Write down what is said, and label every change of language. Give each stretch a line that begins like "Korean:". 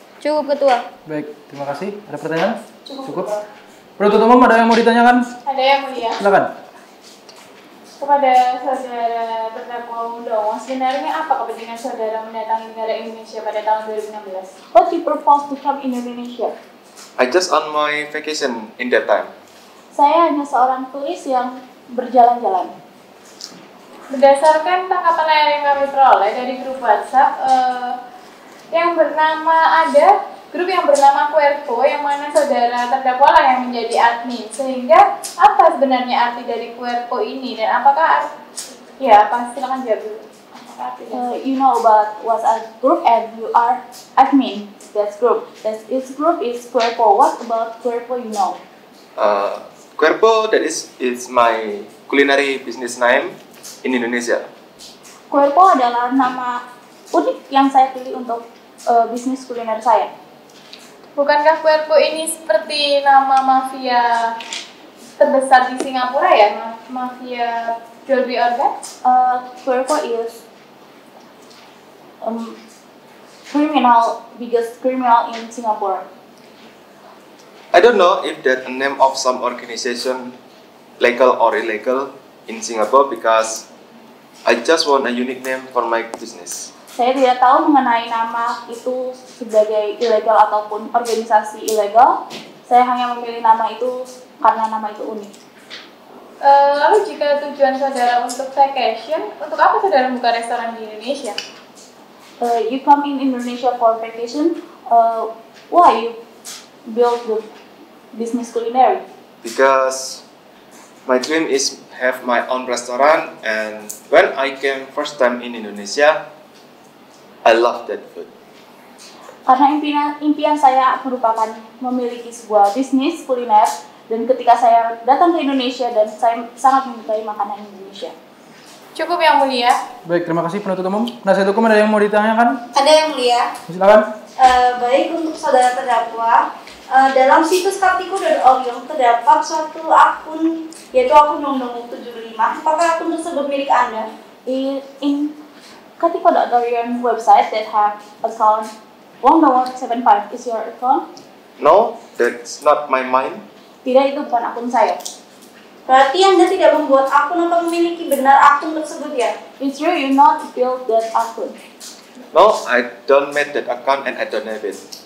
Indonesian: Cukup, Ketua. Baik, terima kasih. Ada pertanyaan? Cukup. Penuntut umum, ada yang mau ditanyakan? Ada, Yang Mulia. Silakan. Kepada saudara terdakwa Mudongo, sebenarnya apa kepentingan saudara mendatangi negara Indonesia pada tahun 2016?
English: What you propose to come in Indonesia? I just on my vacation in that time.
Indonesian: Saya hanya seorang turis yang berjalan-jalan. Berdasarkan tangkapan layar yang kami peroleh dari grup WhatsApp, yang bernama ada grup yang bernama Quervo yang mana saudara terdakwa lah yang menjadi admin. Sehingga apa sebenarnya arti dari Quervo ini dan apakah ya pasti silakan jawab dulu.
English: You know about WhatsApp group and you are admin that group. This group is Quervo. What about Quervo you know? Quervo, that is my culinary business name in Indonesia.
Indonesian: Quervo adalah nama unik yang saya pilih untuk bisnis kuliner saya. Bukankah Quervo ini seperti nama mafia terbesar di Singapura ya? Mafia jual beli organ?
English: Quervo is criminal, biggest criminal in Singapore. I don't know if that a name of some organization legal or illegal in Singapore because I just want a unique name for my business.
Indonesian: Saya tidak tahu mengenai nama itu sebagai illegal ataupun organisasi illegal. Saya hanya memilih nama itu karena nama itu unik. Lalu jika tujuan saudara untuk vacation, untuk apa saudara buka restoran di Indonesia?
English: You come in Indonesia for vacation. Why you build the business culinary? Because my dream is have my own restaurant and when I came first time in Indonesia, I love that food.
Indonesian: Karena impian saya merupakan memiliki sebuah bisnis kuliner dan ketika saya datang ke Indonesia dan saya sangat menyukai makanan Indonesia. Cukup yang mulia. Baik, terima kasih penutup umum. Penasihat hukum ada yang mau ditanyakan? Ada yang mulia. Silakan. Baik untuk saudara terdakwa. Dalam situs kartiku.org terdapat suatu akun, yaitu akun 0075. Apakah akun tersebut milik Anda?
English: In kartiku.org website that have account 0075 is your account? No, that's not my mind.
Indonesian: Tidak, itu bukan akun saya. Berarti Anda tidak membuat akun atau memiliki benar akun tersebut ya?
English: It's true, you not build that akun. No, I don't make that account and I don't have it.